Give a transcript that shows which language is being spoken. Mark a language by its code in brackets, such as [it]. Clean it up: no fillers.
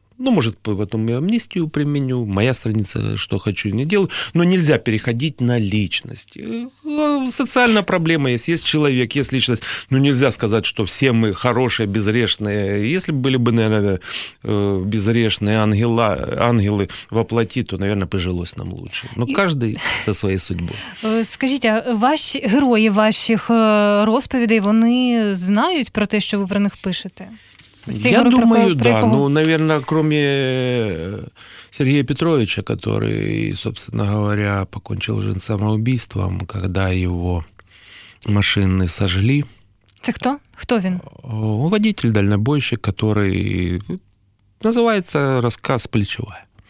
[ru] Ну, может, потом я амнистию применю, моя страница, что хочу, не делаю, но нельзя переходить на личность. Социальная проблема есть, есть человек, есть личность, но нельзя сказать, что все мы хорошие, безгрешные. Если бы были бы, наверное, безгрешные ангелы во плоти, то, наверное, пожилось нам лучше. Но каждый со своей судьбой. Скажите, ваши герои [uk] ваших розповідей, вони знають про те, що ви про них пишете? [ru] Я думаю, да. Ну, наверное, кроме Сергея Петровича, который, собственно говоря, покончил жизнь самоубийством, когда его машины сожгли. Это кто? Кто он? Водитель, дальнобойщик, который называется рассказ «Плечевая».